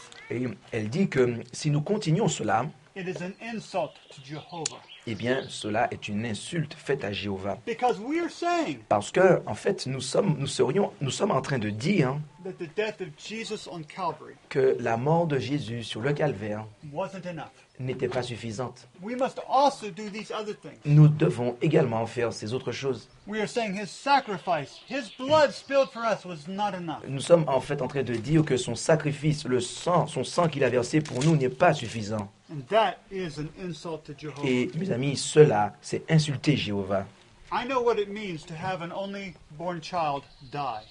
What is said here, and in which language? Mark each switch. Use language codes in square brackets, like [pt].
[fr] Et elle dit que si nous continuons cela, [en] it is an insult to Jehovah. [fr] Eh bien, cela est une insulte faite à Jéhovah. [en] Because we are saying, [fr] parce que, en fait, nous sommes en train de dire, [en] that the death of Jesus on Calvary, [fr] que la mort de Jésus sur le calvaire, [en] wasn't enough, [fr] n'était pas suffisante. [en] We must also do these other things. [fr] Nous devons également faire ces autres choses. [en] We are saying his sacrifice, his blood spilled for us was not enough. [fr] Nous sommes en fait en train de dire que son sacrifice, son sang qu'il a versé pour nous n'est pas suffisant. [en] And that is an insult to Jehovah. [fr] Et mes amis, cela, c'est insulter Jéhovah. [en] I know what it means to have an only born child die.